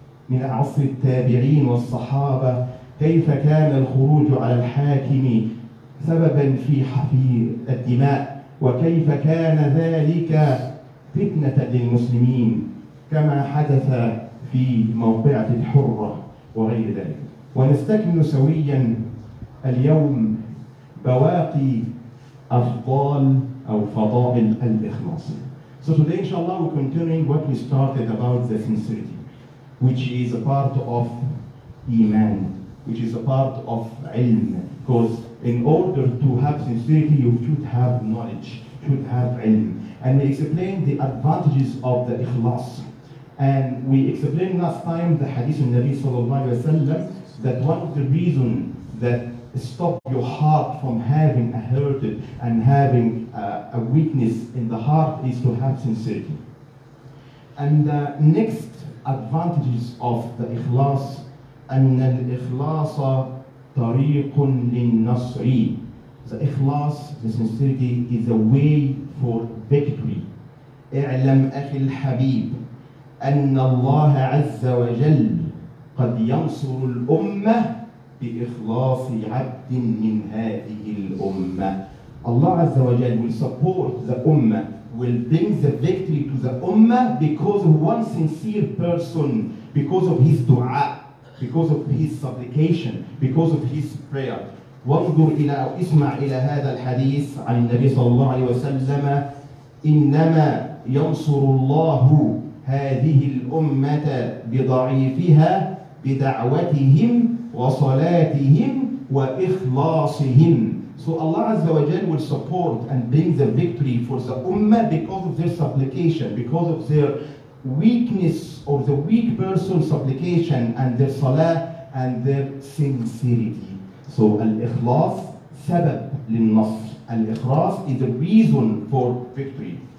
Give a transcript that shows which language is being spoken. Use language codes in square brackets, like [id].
[ar] من عصر التابعين والصحابة كيف كان الخروج على الحاكم سبباً في حفير الدماء، وكيف كان ذلك فتنة للمسلمين كما حدث في موقعة الحرة وغير ذلك. ونستكمل سوياً اليوم بواقي أفضال أو فضائل الإخلاص. [en] So today, inshallah, we're continuing what we started about the sincerity, which is a part of Iman, which is a part of ilm. Because in order to have sincerity, you should have knowledge, should have ilm. And we explained the advantages of the ikhlas. And we explained last time the hadith of Nabi sallallahu alayhi wa sallam, that one of the reasons that stop your heart from having a hurt and having a weakness in the heart is to have sincerity. And the next advantages of the ikhlas, [ar] أن الإخلاص طريق للنصر. [en] The إخلاص, the sincerity, is a way for victory. [ar] اعلم أخي الحبيب أن الله عز وجل قد ينصر الأمة بإخلاص عبد من هذه الأمة. [en] Allah [ar] عز وجل [en] will support the Ummah, will bring the victory to the Ummah because of one sincere person, because of his dua, because of his supplication, because of his prayer. [ar] وانظر إلى أو اسمع إلى هذا الحديث عن النبي صلى الله عليه وسلم: إنما ينصر الله هذه الأمة بضعيفها بدعوتهم وصلاتهم وإخلاصهم. [en] So Allah Azza wa Jal will support and bring the victory for the Ummah because of their supplication, because of their weakness or the weak person's supplication and their salah and their sincerity. [ar] So al-ikhlas sabab lil-nasr. [en] Al-ikhlas is the reason for victory.